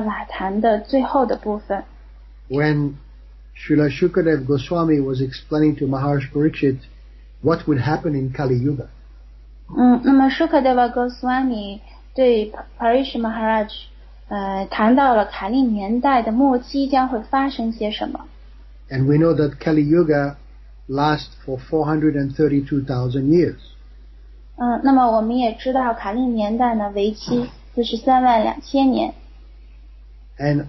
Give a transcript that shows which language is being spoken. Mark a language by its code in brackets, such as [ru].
[zh] 那么为了对一个全貌有一个了解，我们首先要进入圣典伯加瓦坛的最后的部分。 [en] When Srila Shukadev Goswami was explaining to Maharaj Parikshit what would happen in Kali Yuga. [zh] 那么Shukadeva Goswami 对 Parish Maharaj 谈到了卡利年代的末期将会发生些什么。 [en] And we know that Kali Yuga lasts for 432,000 years. [zh] 那么我们也知道卡利年代呢，为期就是32,000年。 [en] And